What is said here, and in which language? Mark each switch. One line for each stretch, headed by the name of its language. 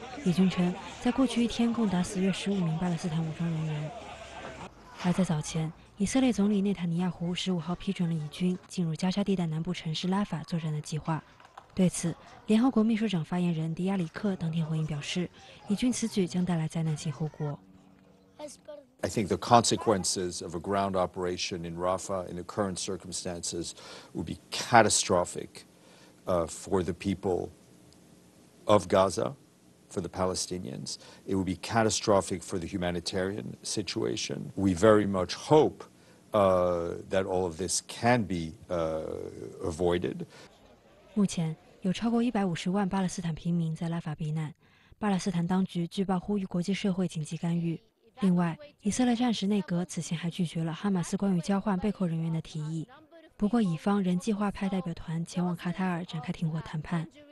Chinese: 以军称，在过去一天共打死约15名巴勒斯坦武装人员。而在早前，以色列总理内塔尼亚胡15号批准了以军进入加沙地带南部城市拉法作战的计划。对此，联合国秘书长发言人迪亚里克当天回应表示，以军此举将带来灾难性后果。
English: I think the consequences of a ground operation in Rafah in the current circumstances would be catastrophic for the people of Gaza, for the Palestinians. It would be catastrophic for the humanitarian situation. We very much hope that all of this can be avoided.
Chinese: 目前有超过150万巴勒斯坦平民在拉法避难，巴勒斯坦当局据报呼吁国际社会紧急干预。另外，以色列战时内阁此前还拒绝了哈马斯关于交换被扣人员的提议。不过，乙方仍计划派代表团前往卡塔尔展开停火谈判。